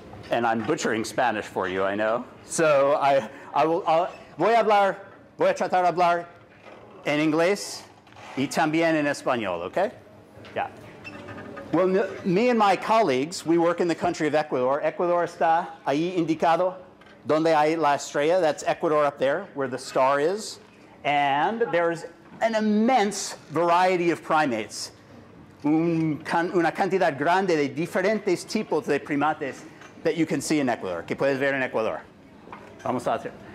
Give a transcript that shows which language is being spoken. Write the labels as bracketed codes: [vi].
[en] And I'm butchering Spanish for you, I know. [es] So voy a tratar de hablar en inglés y también en español, okay? [en] Yeah. Well, me and my colleagues, we work in the country of Ecuador. [es] Ecuador está ahí indicado donde hay la estrella. [en] That's Ecuador up there, where the star is. And there's an immense variety of primates. [es] Una cantidad grande de diferentes tipos de primates [en] that you can see in Ecuador, [es] que puedes ver en Ecuador. Vamos a hacer.